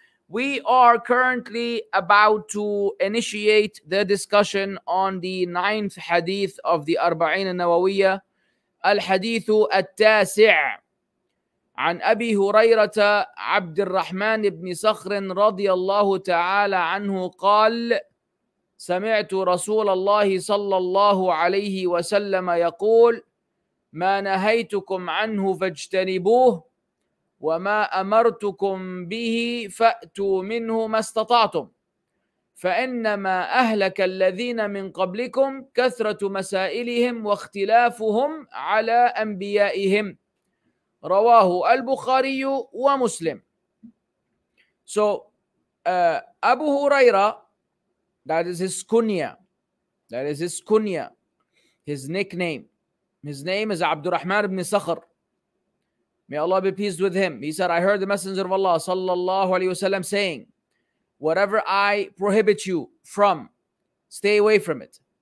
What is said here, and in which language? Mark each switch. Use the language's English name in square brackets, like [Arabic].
[English] We are currently about to initiate the discussion on the ninth hadith of the Arba'in al-Nawawiyya. [Arabic] Al-Hadith al-Tasi' عن أبي هريرة عبد الرحمن بن صخر رضي الله تعالى عنه قال سمعت رسول الله صلى الله عليه وسلم يقول ما نهيتكم عنه فاجتنبوه وما أمرتكم به فأتوا منه ما استطعتم فإنما أهلك الذين من قبلكم كثرة مسائلهم واختلافهم على أنبيائهم رواه البخاري ومسلم. [English] So Abu Hurayrah, that is his kunya, that is his kunya, his nickname, his name is Abdurrahman ibn Sakhr. May Allah be pleased with him. He said, I heard the Messenger of Allah sallallahu alayhi wasallam saying, whatever I prohibit you from, stay away from it.